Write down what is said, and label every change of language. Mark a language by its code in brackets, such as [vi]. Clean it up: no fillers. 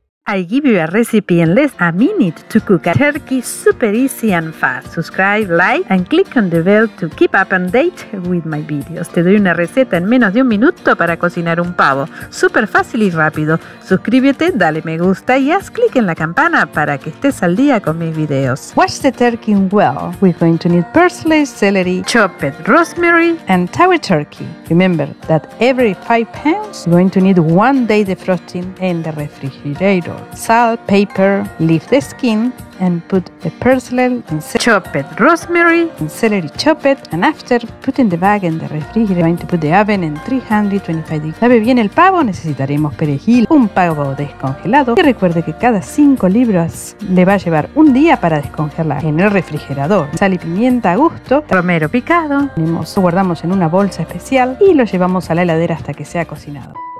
[en] I give you a recipe in less a minute to cook a turkey super easy and fast. Subscribe, like, and click on the bell to keep up and date with my videos. [es] Te doy una receta en menos de un minuto para cocinar un pavo. Super fácil y rápido. Suscríbete, dale me gusta y haz click en la campana para que estés al día con mis videos. [en] Wash the turkey well. We're going to need parsley, celery, chopped rosemary, and tower turkey. Remember that every 5 pounds, you're going to need 1 day defrosting in the refrigerator. Salt, pepper, leave the skin and put the parsley and chopped rosemary and celery chopped, and after putting the bag in the refrigerator, going to put the oven in 325 degrees. [es] Lave bien el pavo, necesitaremos perejil, un pavo descongelado, y recuerde que cada 5 libras le va a llevar un día para descongelar en el refrigerador. Sal y pimienta a gusto, romero picado, lo guardamos en una bolsa especial y lo llevamos a la heladera hasta que sea cocinado.